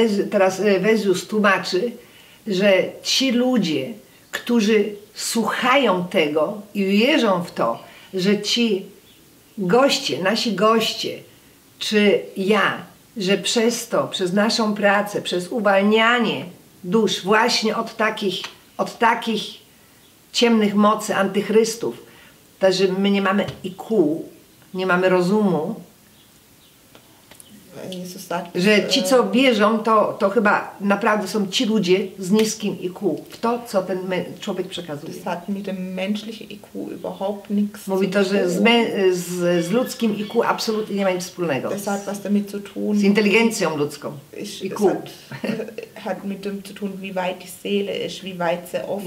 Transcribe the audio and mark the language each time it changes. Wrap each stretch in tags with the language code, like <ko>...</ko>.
<pl>Teraz Wezius tłumaczy, że ci ludzie, którzy słuchają tego i wierzą w to, że ci goście, nasi goście, czy ja, że przez to, przez naszą pracę, przez uwalnianie dusz właśnie od takich ciemnych mocy antychrystów, to, że my nie mamy IQ, nie mamy rozumu, że ci, co wierzą, to chyba naprawdę są ci ludzie z niskim IQ, w to, co ten człowiek przekazuje.</pl> <de>Das hat mit dem menschlichen IQ überhaupt nichts.</de> <pl>Mówi to, że z ludzkim IQ absolutnie nie ma nic wspólnego.</pl> <de>Das hat was damit zu tun.</de> <pl>Z inteligencją ludzką. IQ.</pl> <de>Hat mit dem zu tun, wie weit die Seele ist, wie weit sie offen ist.</de>